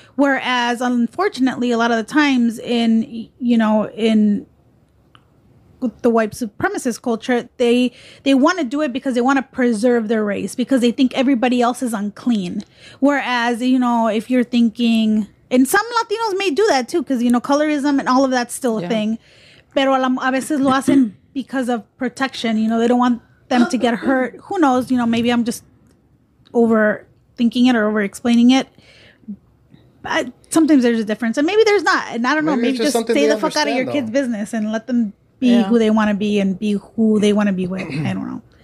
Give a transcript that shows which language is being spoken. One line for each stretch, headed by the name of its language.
English: Whereas unfortunately, a lot of the times in the white supremacist culture, they want to do it because they want to preserve their race, because they think everybody else is unclean. Whereas, you know, if you're thinking, and some Latinos may do that too, because, you know, colorism and all of that's still a thing.
Spanish: Pero a veces lo hacen
English: because of protection. You know, they don't want them to get hurt. Who knows? You know, maybe I'm just overthinking it or over explaining it. But sometimes there's a difference, and maybe there's not. And I don't know. Maybe just stay the fuck out of your kids' business and let them be who they want to be and be who they want to be with. I don't know.